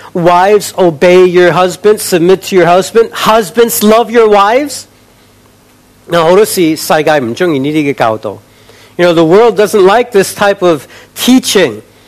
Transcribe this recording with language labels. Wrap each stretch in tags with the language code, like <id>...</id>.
<en>Wives, obey your husbands, submit to your husband. Husbands, love your wives.</en> <yue>那好多时世界唔中意呢啲嘅教导。</yue> <en>You know, the world doesn't like this type of teaching.</en>